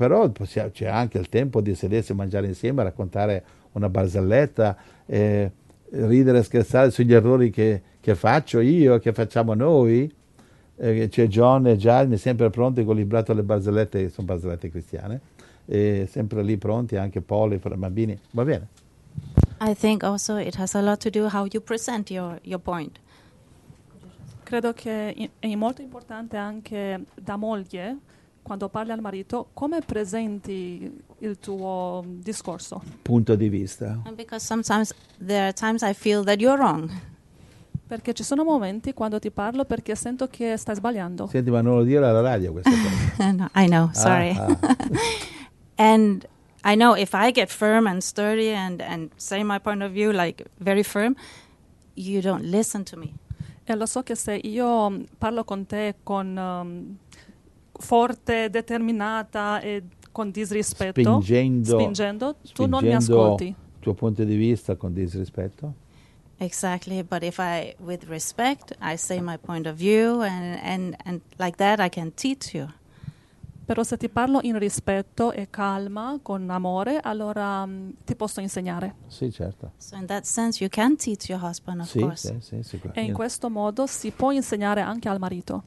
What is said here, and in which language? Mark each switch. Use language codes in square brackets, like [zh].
[it] possiamo, c'è anche il tempo di sedersi e mangiare insieme, raccontare una barzelletta, ridere e scherzare sugli errori che faccio io, che facciamo noi, c'è John e Gianni sempre pronti con il librato alle barzellette, sono barzellette cristiane, sempre lì pronti, anche Paul e i bambini, va bene. [en] I think also it has a lot to do how you present your point. [it] Credo che è molto importante anche da moglie, quando parli al marito, come presenti il tuo discorso. Punto di vista. [en] And because sometimes there are times I feel that you're wrong. [it] Perché ci sono momenti quando ti parlo perché sento che stai sbagliando. Senti, ma non lo dire alla radio questa cosa. [en] No, I know, sorry. And I know if I get firm and sturdy and say my point of view like very firm, you don't listen to me. [it] E lo so che se io parlo con te con forte, determinata e con disrispetto, spingendo, tu non mi ascolti. Il tuo punto di vista con disrispetto. [en] Exactly, but if I, with respect, I say my point of view and like that I can teach you. [it] Però se ti parlo in rispetto e calma, con amore, allora ti posso insegnare. Sì, certo. [en] So in that sense you can teach your husband, of [it] sì, [en] course. [it] Sì, sì, sicuramente. E in questo modo si può insegnare anche al marito.